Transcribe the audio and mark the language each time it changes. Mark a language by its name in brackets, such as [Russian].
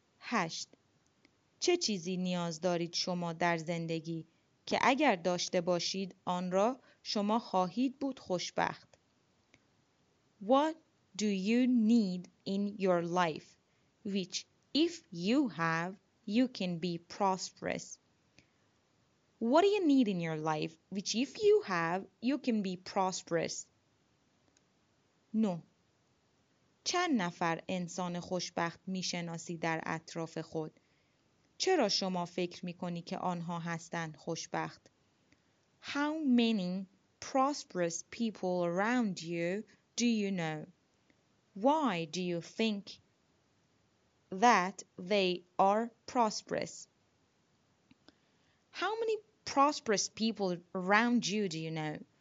[English] 8. [Persian] چه چیزی نیاز دارید شما در زندگی که اگر داشته باشید آن را شما خواهید بود خوشبخت؟ [English] What do you need in your life, which if you have, you can be prosperous? What do you need in your life, which if you have, you can be prosperous? 9. [Persian] چند نفر انسان خوشبخت میشناسی در اطراف خود؟ چرا شما فکر میکنی که آنها هستند خوشبخت؟ [English] How many prosperous people around you do you know? Why do you think that they are prosperous? How many prosperous people around you do you know?